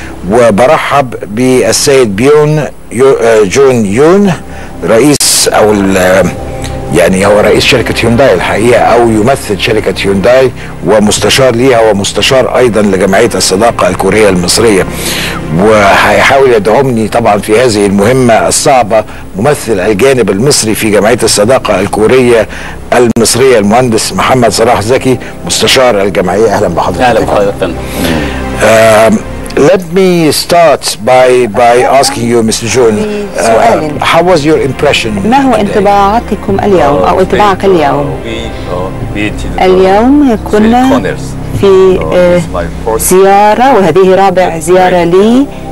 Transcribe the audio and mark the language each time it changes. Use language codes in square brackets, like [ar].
[ar] وبرحب بالسيد بيون جون يون، رئيس أو يعني هو رئيس شركة هيونداي الحقيقة، أو يمثل شركة هيونداي ومستشار ليها ومستشار أيضا لجمعية الصداقة الكورية المصرية، وهيحاول يدعمني طبعا في هذه المهمة الصعبة، ممثل الجانب المصري في جمعية الصداقة الكورية المصرية المهندس محمد صلاح زكي مستشار الجمعية. أهلا بحضرتك. أهلا بحضرتك. [en] Let me start by asking you, Mr. Jun, how was your impression? [ar] ما هو انطباعاتكم اليوم أو انطباعك اليوم؟ اليوم كنا في زيارة وهذه رابع زيارة لي.